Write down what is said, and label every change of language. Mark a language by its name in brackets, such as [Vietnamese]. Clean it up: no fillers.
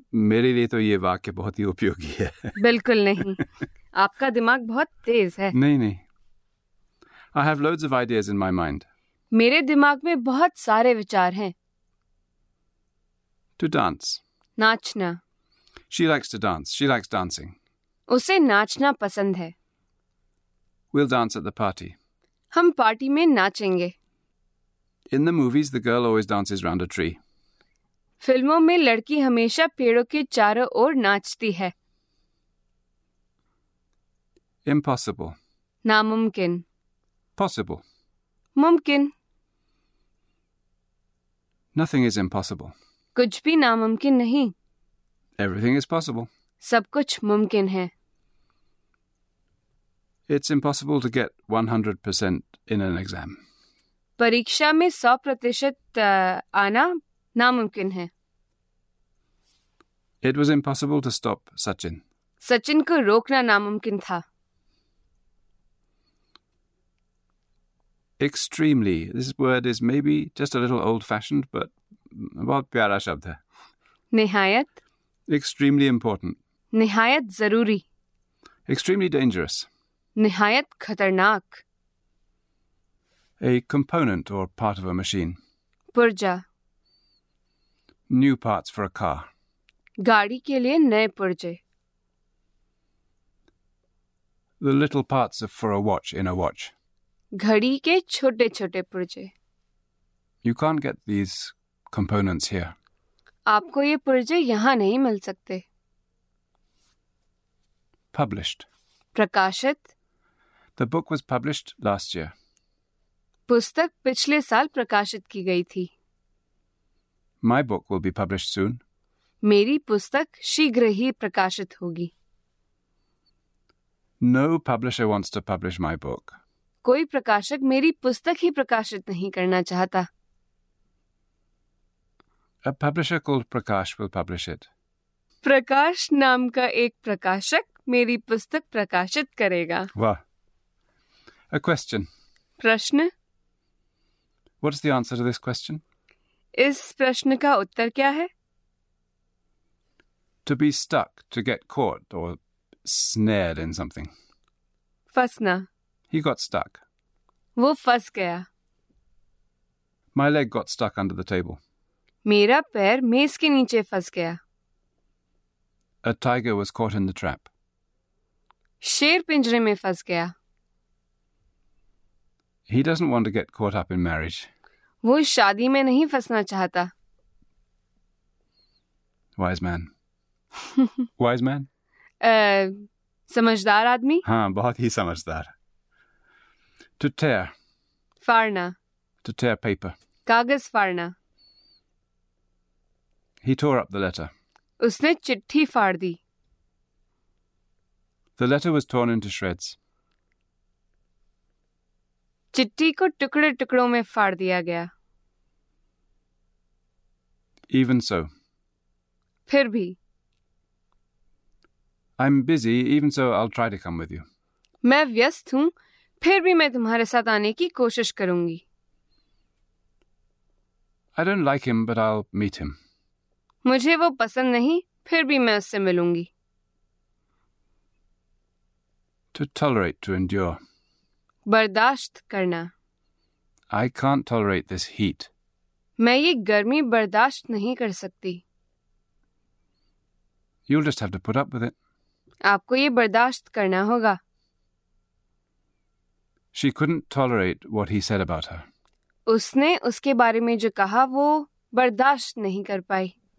[Hindi] मेरे लिए तो ये वाक्य बहुत ही उपयोगी है. बिल्कुल नहीं. आपका दिमाग बहुत तेज है. [English] नहीं, I have loads of ideas in my mind. [Hindi] मेरे दिमाग में बहुत सारे विचार हैं. [English] To dance. [Hindi] नाचना. [English] She likes to dance. She likes dancing. [Hindi] उसे नाचना पसंद है. [English] We'll dance at the party. [Hindi] हम पार्टी में नाचेंगे. [English] In the movies, the girl always dances round a tree. [Hindi] फिल्मों में लड़की हमेशा पेड़ों के चारों ओर नाचती है. [English] Impossible. [Hindi] नामुमकिन. [English] Possible. [Hindi] मुमकिन. [English] Nothing is impossible. [Hindi] कुछ भी नामुमकिन नहीं. [English] Everything is possible. [Hindi] सब कुछ मुमकिन है. [English] It's impossible to get 100% in an exam. [Hindi] परीक्षा में 100% आना नामुमकिन है. [English] It was impossible to stop Sachin. [Hindi] Sachin को रोकना नामुमकिन था. [English] Extremely. This word is maybe just a little old-fashioned, but [Hindi] बहुत प्यारा शब्द है. निहायत. [English] Extremely important. [Hindi] निहायत जरूरी. [English] Extremely dangerous. [Hindi] निहायत खतरनाक. [English] A component or part of a machine. [Hindi] पुर्जा. [English] New parts for a car. [Hindi] गाड़ी के लिए नए पुर्जे. [English] The little parts for a watch in a watch. [Hindi] घड़ी के छोटे छोटे पुर्जे. [English] You can't get these components here. [Hindi] आपको ये पुर्जे यहाँ नहीं मिल सकते. [English] Published. [Hindi] प्रकाशित. [English] The book was published last year. [Hindi] पुस्तक पिछले साल प्रकाशित की गई थी. [English] My book will be published soon. [Hindi] मेरी पुस्तक शीघ्र ही प्रकाशित होगी. [English] No publisher wants to publish my book. [Hindi] कोई प्रकाशक मेरी पुस्तक ही प्रकाशित नहीं करना चाहता. [English] A publisher called Prakash will publish it. [Hindi] प्रकाश नाम का एक प्रकाशक मेरी पुस्तक प्रकाशित करेगा. [English] वाह. A question. [Hindi] प्रश्न. [English] What's the answer to this question? [Hindi] इस प्रश्न का उत्तर क्या है? [English] To be stuck, to get caught or snared in something. [Hindi] फंसना. [English] He got stuck. [Hindi] वो फंस गया. [English] My leg got stuck under the table. [Hindi] मेरा पैर मेज के नीचे फंस गया. [English] A tiger was caught in the trap. [Hindi] शेर पिंजरे में फंस गया. [English] He doesn't want to get caught up in marriage. [Hindi] वो शादी में नहीं फंसना चाहता. [English] Wise man. Wise man? [Hindi] समझदार आदमी. हाँ, बहुत ही समझदार. [English] To tear. [Hindi] फाड़ना. [English] To tear paper. [Hindi] कागज फाड़ना. [English] He tore up the letter. [Hindi] उसने चिट्ठी फाड़ दी. [English] The letter was torn into shreds. [Hindi] चिट्ठी को टुकड़े टुकड़ों में फाड़ दिया गया. [English] Even so. [Hindi] फिर भी. [English] I'm busy, even so I'll try to come with you. [Hindi] मैं व्यस्त हूँ, फिर भी मैं तुम्हारे साथ आने की कोशिश करूंगी. [English] I don't like him, but I'll meet him. [Hindi] मुझे वो पसंद नहीं, फिर भी मैं उससे मिलूंगी. [English] To tolerate, to endure. [Hindi] बर्दाश्त करना. [English] I can't tolerate this heat. [Hindi] मैं ये गर्मी बर्दाश्त नहीं कर सकती. [English] You'll just have to put up with it. [Hindi] आपको ये बर्दाश्त करना होगा. [English] She couldn't tolerate what he said about her. [Hindi] उसने उसके बारे में जो कहा वो बर्दाश्त नहीं कर पाई.